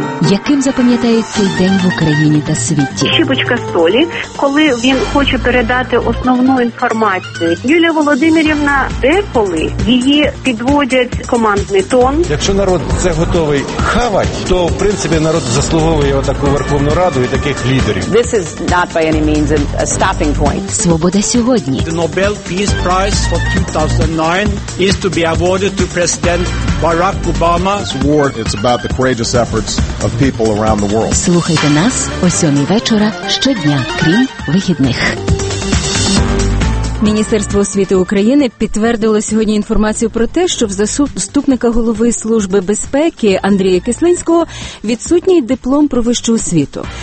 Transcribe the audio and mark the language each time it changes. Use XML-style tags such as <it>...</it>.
<uk>Яким запам'ятається день в Україні та світі? Щіпочка солі, коли він хоче передати основну інформацію. Юлія Володимирівна, деколи її підводять командний тон. Якщо народ це готовий хавати, то, в принципі, народ заслуговує таку Верховну Раду і таких лідерів.</uk> <en>This is not by any means a stopping point.</en> <uk>Свобода сьогодні.</uk> <en>The Nobel Peace Prize for 2009 is to be awarded to President Barack Obama. This war, it's about the courageous efforts of people around the world.</en> <uk>Слухайте нас о 7 вечора щодня, крім вихідних. Міністерство освіти України підтвердило сьогодні інформацію про те, що в заступника голови Служби безпеки Андрія Кислинського відсутній диплом про вищу освіту.</uk>